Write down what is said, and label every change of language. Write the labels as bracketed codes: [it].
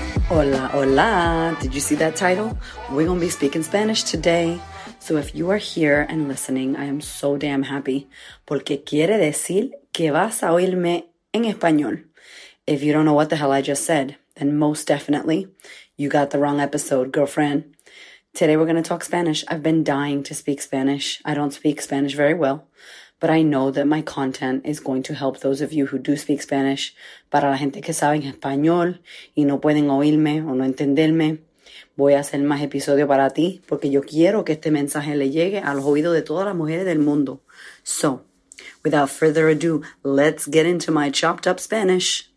[es] Hola, hola. [en] Did you see that title? We're going to be speaking Spanish today. So if you are here and listening, I am so damn happy. [es] Porque quiere decir que vas a oírme en español. [en] If you don't know what the hell I just said, then most definitely you got the wrong episode, girlfriend. Today we're going to talk Spanish. I've been dying to speak Spanish. I don't speak Spanish very well, but I know that my content is going to help those of you who do speak Spanish. [es] Para la gente que sabe español y no pueden oírme o no entenderme, voy a hacer más episodios para ti porque yo quiero que este mensaje le llegue a los oídos de todas las mujeres del mundo. [en] So, without further ado, let's get into my chopped up Spanish.